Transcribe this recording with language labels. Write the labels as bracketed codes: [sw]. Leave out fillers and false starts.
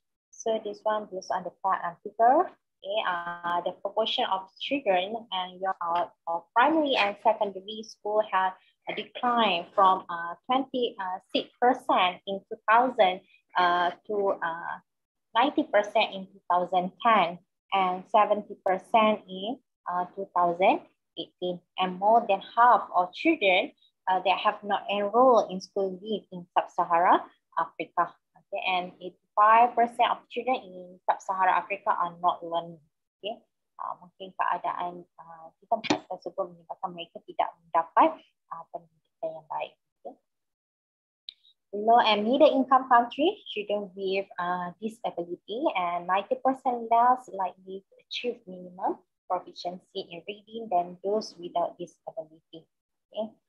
[en] So this one, based on the fact and figure, okay, the proportion of children and young out of primary and secondary school have a decline from 26% in 2000 to 90% in 2010 and 70% in 2018. And more than half of children that have not enrolled in school live in Sub-Sahara Africa. Okay, and 85% of children in Sub-Sahara Africa are not learning. Okay. [ms] Mungkin keadaan di tempat tersebut menyebabkan mereka tidak mendapat pendidikan yang baik. Okay. [en] Low and middle income country, children with disability and 90% less likely to achieve minimum proficiency in reading than those without disability. Okay.